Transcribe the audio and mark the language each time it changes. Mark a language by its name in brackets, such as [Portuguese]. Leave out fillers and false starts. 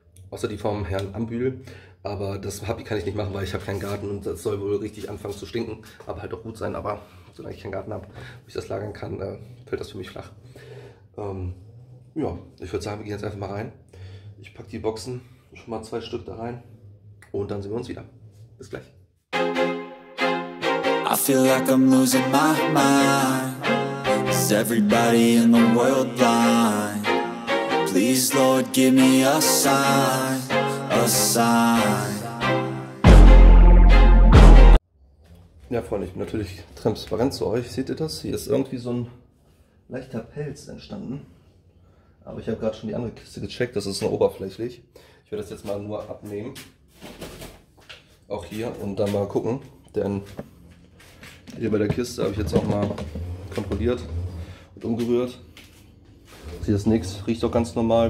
[German] Außer die vom Herrn Ambühl. Aber das Happy kann ich nicht machen, weil ich habe keinen Garten und das soll wohl richtig anfangen zu stinken. Aber halt auch gut sein. Aber solange ich keinen Garten habe, wo ich das lagern kann, fällt das für mich flach. Ja, ich würde sagen, wir gehen jetzt einfach mal rein. Ich packe die Boxen schon mal 2 Stück da rein und dann sehen wir uns wieder. Bis gleich. [English] I feel like I'm losing my mind. Is everybody in the world blind? Please, Lord, give me a sign. A sign. [German] Ja, Freunde, ich bin natürlich transparent zu euch. Seht ihr das? Hier ist irgendwie so ein leichter Pelz entstanden. Aber ich habe gerade schon die andere Kiste gecheckt. Das ist nur oberflächlich. Ich werde das jetzt mal nur abnehmen. Auch hier und dann mal gucken. Denn hier bei der Kiste habe ich jetzt auch mal kontrolliert und umgerührt. Hier ist nichts. Riecht auch ganz normal.